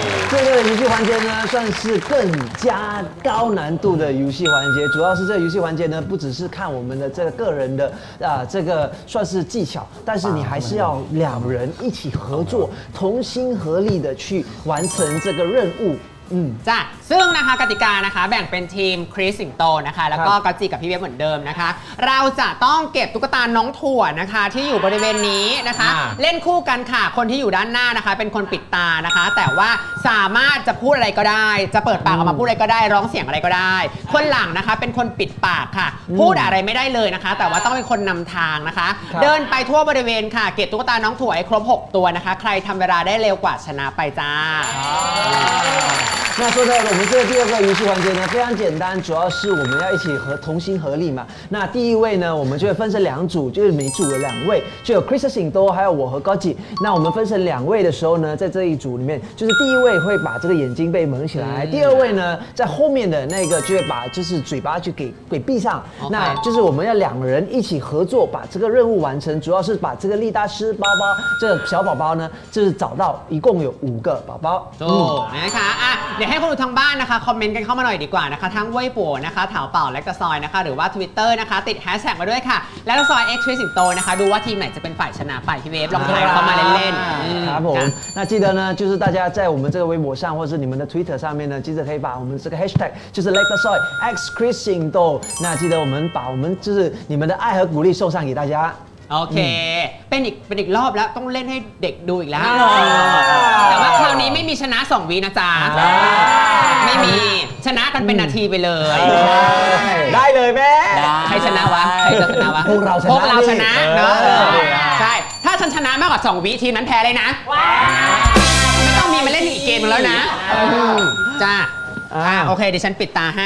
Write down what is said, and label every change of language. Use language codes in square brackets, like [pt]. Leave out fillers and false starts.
[zh] 这个游戏环节呢算是更加高难度的游戏环节，主要是这个游戏环节呢不只是看我们的这个个人的这个算是技巧，但是你还是要两人一起合作，同心合力的去完成这个任务。 [th] จ้ะซึ่งนะคะกติกานะคะแบ่งเป็นทีมคริสสิงโตนะคะแล้วก็กัจจิกับพี่เว็บเหมือนเดิมนะคะเราจะต้องเก็บตุ๊กตาน้องถั่วนะคะที่อยู่บริเวณนี้นะคะเล่นคู่กันค่ะคนที่อยู่ด้านหน้านะคะเป็นคนปิดตานะคะแต่ว่าสามารถจะพูดอะไรก็ได้จะเปิดปากออกมาพูดอะไรก็ได้ร้องเสียงอะไรก็ได้คนหลังนะคะเป็นคนปิดปากค่ะพูดอะไรไม่ได้เลยนะคะแต่ว่าต้องเป็นคนนำทางนะคะเดินไปทั่วบริเวณค่ะเก็บตุ๊กตาน้องถั่วให้ครบ6ตัวนะคะใครทำเวลาได้เร็วกว่าชนะไปจ้า [zh] 那说到我们这个第二个游戏环节呢，非常简单，主要是我们要一起和同心合力嘛。那第一位呢，我们就会分成两组，就是每组有两位，就有 Chris 醒多，还有我和 Gogi。那我们分成两位的时候呢，在这一组里面，就是第一位会把这个眼睛被蒙起来，第二位呢，在后面的那个就会把就是嘴巴就给闭上。 [en] Okay. [zh] 那就是我们要两人一起合作把这个任务完成，主要是把这个力大师包包这个、小宝宝呢，就是找到一共有五个宝宝。哦，你看啊。 [th] เดี๋ยวให้คนดูทางบ้านนะคะคอมเมนต์กันเข้ามาหน่อยดีกว่านะคะทั้งเว่ยปัวนะคะถาวเป่าและกระซอยนะคะหรือว่า Twitter นะคะติดแฮชแท็กมาด้วยค่ะและกระซอย X Twist สิงโตนะคะดูว่าทีมไหนจะเป็นฝ่ายชนะไปที่เว็บลองทายเข้ามาเล่น ๆครับผมนะ [zh] 记得呢就是大家在我们这个微博上或是你们的 Twitter 上面呢记得可以把我们这个 hashtag 就是 like the soy X Twist สิงโต那记得我们把我们就是你们的爱和鼓励送上给大家 [th] โอเคเป็นอีกรอบแล้วต้องเล่นให้เด็กดูอีกแล้วแต่ว่าคราวนี้ไม่มีชนะ2วินะจ๊ะไม่มีชนะกันเป็นนาทีไปเลย ได้เลยแม่ ใครชนะวะใครจะชนะวะ พวกเราชนะ พวกเราชนะเนาะใช่ถ้าฉันชนะมากกว่า2วิทีมนั้นแพ้เลยนะต้องมีมาเล่นอีกเกมแล้วนะจ้าโอเคเดี๋ยวฉันปิดตาให